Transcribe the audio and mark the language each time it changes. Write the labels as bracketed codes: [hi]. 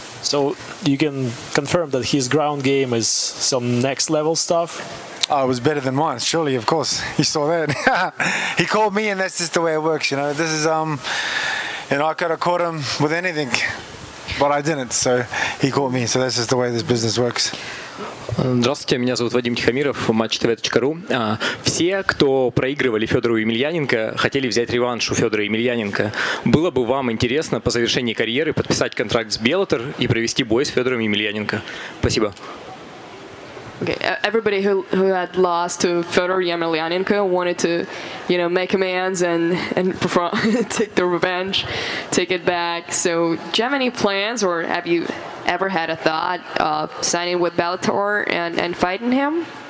[en] So you can confirm that his ground game is some next level stuff? Oh, it was better than mine, surely, of course. You saw that. He caught me, and that's just the way it works, you know. This is, you know, I could have caught him with anything. But I didn't, so he caught me. So that's just the way this business works. [ru] Здравствуйте, меня зовут Вадим Тихомиров, matchtv.ru. Все, кто проигрывали Федору Емельяненко, хотели взять реванш у Федора Емельяненко. Было бы вам интересно по завершении карьеры подписать контракт с Bellator и провести бой с Федором Емельяненко? Спасибо. [en] Okay, everybody who had lost to Fedor Emelianenko wanted to, you know, make amends and perform, take the revenge, take it back. So, do you have any plans, or have you ever had a thought of signing with Bellator and fighting him?